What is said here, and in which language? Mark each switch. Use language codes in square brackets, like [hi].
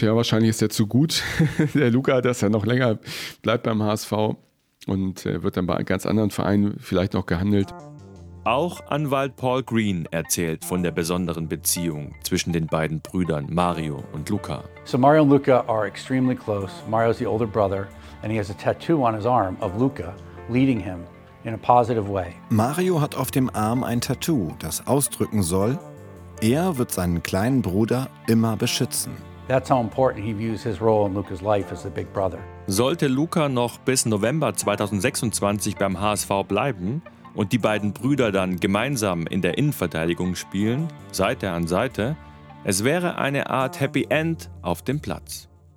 [de] Ja, wahrscheinlich ist er zu gut, der Luka, dass er noch länger bleibt beim HSV und wird dann bei einem ganz anderen Verein vielleicht noch gehandelt. Auch Anwalt Paul Green erzählt von der besonderen Beziehung zwischen den beiden Brüdern Mario und Luka. [en] So Mario [de] und [en] Luka are extremely close. Mario's the older brother and he has a tattoo on his arm of Luka leading him in a positive way. [de] Mario hat auf dem Arm ein Tattoo, das ausdrücken soll, er wird seinen kleinen Bruder immer beschützen. [en] That's how important he views his role in Luka's life as the big brother. [de] Sollte Luka noch bis November 2026 beim HSV bleiben und die beiden Brüder dann gemeinsam in der Innenverteidigung spielen, Seite an Seite, es wäre eine Art Happy End auf dem Platz.